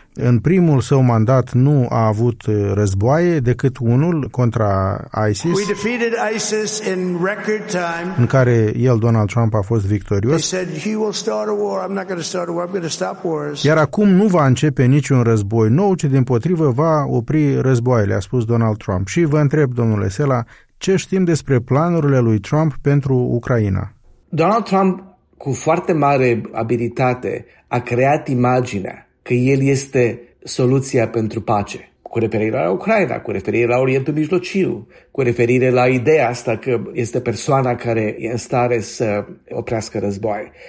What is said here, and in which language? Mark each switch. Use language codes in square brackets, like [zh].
[ro] în primul său mandat nu a avut războaie decât unul contra ISIS. [en] We defeated ISIS in record time. [ro] În care el, Donald Trump, a fost victorios. [en] He said he will start a war. I'm not going to start a war. I'm going to stop wars. [ro] Iar acum nu va începe niciun război nou, ci dimpotrivă va opri războaiele, a spus Donald Trump. Și vă întreb, domnule Sela, ce știm despre planurile lui Trump pentru Ucraina? Donald Trump, cu foarte mare abilitate, a creat imaginea că el este soluția pentru pace, cu referire la Ucraina, cu referire la Orientul Mijlociu, cu referire la ideea asta că este persoana care e în stare să oprească războaie.